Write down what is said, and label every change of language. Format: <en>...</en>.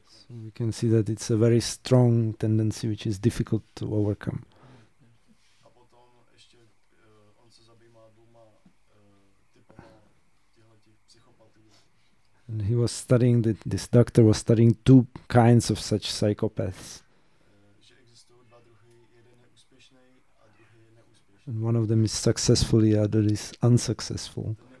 <en>We can see that it's a very strong tendency which is difficult to overcome.</en> <cs>A potom ještě on se zabývá dvěma typy psychopatů.</cs> <en>And he was studying that this doctor was studying two kinds of such psychopaths.</en> <cs>Že existují dva druhy, jeden je úspěšný a druhý je neúspěšný.</cs> <en>And one of them is successful, the other is unsuccessful.</en>